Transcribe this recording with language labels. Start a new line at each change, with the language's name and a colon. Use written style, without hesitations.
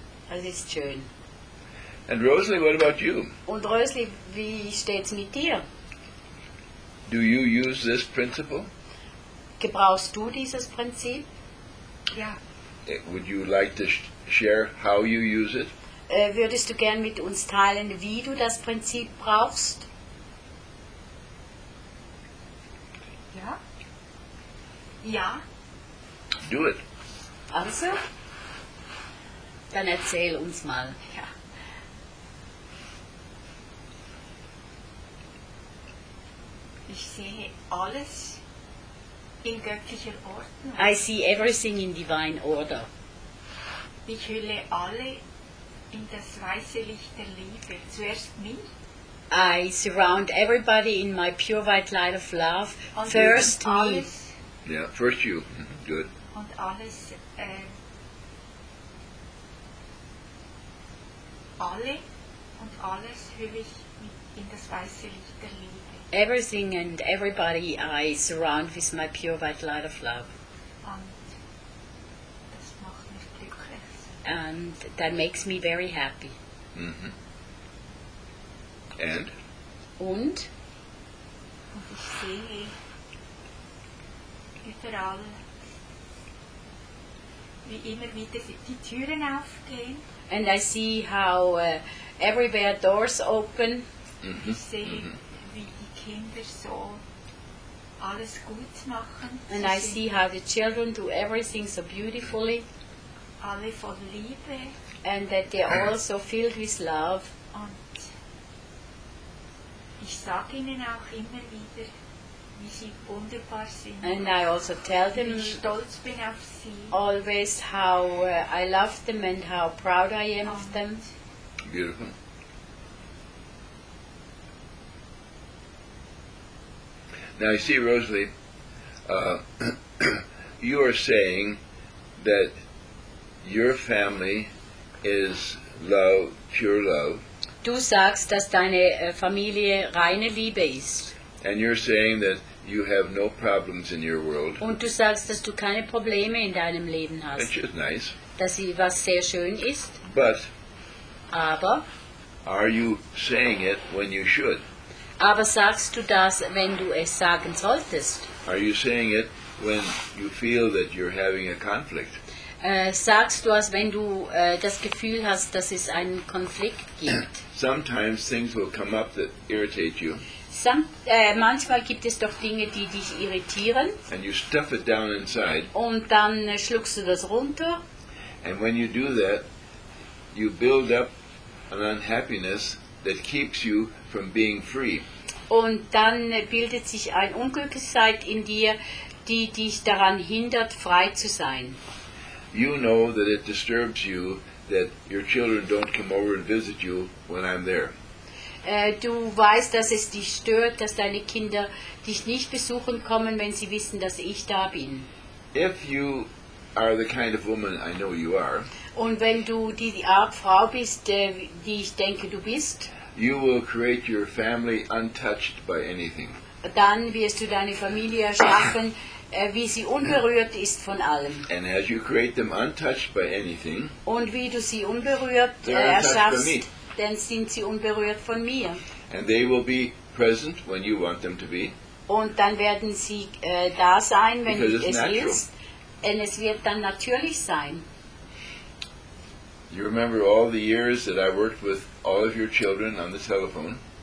German: Das ist schön.
English: And Rosalie, what about you?
German: Und Rosalie, wie steht's mit dir?
English: Do you use this principle?
German: Gebrauchst du dieses Prinzip? Ja.
English: Would you like to share how you use it?
German: Würdest du gern mit uns teilen, wie du das Prinzip brauchst? Ja. Ja.
English: Do it.
German: Also, dann erzähl uns mal. Ja. Ich sehe alles in göttlicher Ordnung.
English: I see everything in divine order.
German: Ich hülle alle in das weiße Licht der Liebe. Zuerst mich.
English: I surround everybody in my pure white light of love.
German: Und
English: first me.
German: Alles.
English: Yeah, first you. Good.
German: Und alles, alle und alles höre ich mit in das weiße Licht der Liebe.
English: Everything and everybody I surround with my pure white light of love.
German: Und das macht mich glücklich.
English: And that makes me very happy. Mm-hmm. And?
German: Und? Und ich sehe überall, wie immer wieder die Türen aufgehen.
English: And I see how everywhere doors open.
German: Mm-hmm. Ich sehe, mm-hmm. wie die Kinder so alles gut machen.
English: And
German: sie
English: I see how the children do everything so beautifully.
German: Alle von Liebe.
English: And that they're all so filled with love.
German: Und ich sage ihnen auch immer wieder, wie sie wunderbar sind.
English: And I also tell them
German: wie stolz bin auf sie.
English: Always how I love them and how proud I am
German: und
English: of them. Beautiful. Now you see, Rosalie, you are saying that your family is love, pure love.
German: Du sagst, dass deine Familie reine Liebe ist.
English: And you're saying that you have no problems in your world.
German: Und du sagst, dass du keine Probleme in deinem Leben hast.
English: Which is nice.
German: Dass sie was sehr schön ist.
English: But.
German: Aber.
English: Are you saying it when you should?
German: Aber sagst du das, wenn du es sagen solltest?
English: Are you saying it when you feel that you're having a conflict?
German: Sagst du es, wenn du das Gefühl hast, dass es einen Konflikt gibt?
English: Sometimes things will come up that irritate you.
German: Manchmal gibt es doch Dinge, die dich irritieren.
English: And you stuff it down inside.
German: Und dann schluckst du das runter.
English: And when you do that, you build up an unhappiness that keeps you from being free.
German: Und dann bildet sich ein Unglücklichkeit in dir, die dich daran hindert, frei zu sein.
English: You know that it disturbs you that your children don't come over and visit you when I'm there.
German: Du weißt, dass es dich stört, dass deine Kinder dich nicht besuchen kommen, wenn sie wissen, dass ich da bin.
English: If you are the kind of woman I know you are.
German: Und wenn du die Art Frau bist, die ich denke, du bist,
English: you will create your family untouched by anything.
German: Dann wirst du deine Familie erschaffen, wie sie unberührt ist von allem.
English: And as you create them untouched by anything,
German: und wie du sie unberührt erschaffst, dann sind sie unberührt von mir.
English: And they will be present when you want them to be.
German: Und dann werden sie da sein, wenn du es willst. Denn es wird dann natürlich sein.
English: You remember all the years that I worked with all of your children on the telephone?